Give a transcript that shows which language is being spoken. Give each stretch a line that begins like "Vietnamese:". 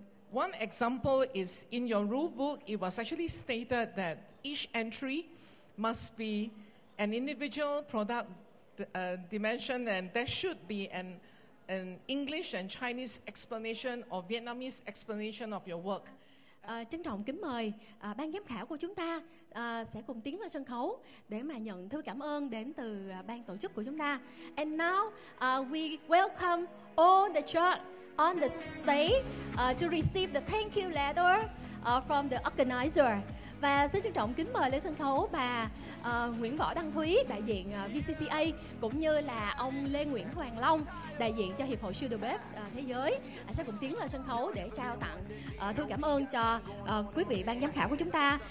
English: One example is in your rule book, it was actually stated that each entry must be an individual product dimension, and there should be an English and Chinese explanation or Vietnamese explanation of your work.
Vietnamese: Trân trọng kính mời ban giám khảo của chúng ta sẽ cùng tiến lên sân khấu để mà nhận thư cảm ơn đến từ ban tổ chức của chúng ta.
English: And now we welcome all the judges on the stage to receive the thank you letter from the organizer.
Vietnamese: Và xin trân trọng kính mời lên sân khấu bà Nguyễn Võ Đăng Thúy, đại diện VCCA, cũng như là ông Lê Nguyễn Hoàng Long, đại diện cho Hiệp hội Siêu Đầu Bếp Thế Giới, sẽ cùng tiến lên sân khấu để trao tặng thư cảm ơn cho quý vị ban giám khảo của chúng ta.